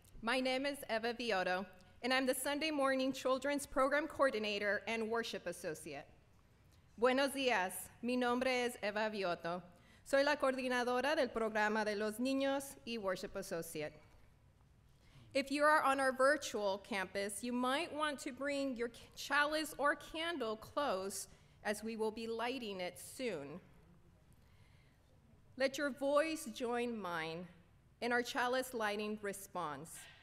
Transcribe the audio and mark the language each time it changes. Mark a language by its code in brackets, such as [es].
[en] My name is Eva Viotto, and I'm the Sunday Morning Children's Program Coordinator and Worship Associate. [es] Buenos días. Mi nombre es Eva Viotto. Soy la coordinadora del programa de los niños y Worship Associate. [en] If you are on our virtual campus, you might want to bring your chalice or candle close, as we will be lighting it soon. Let your voice join mine in our chalice lighting response.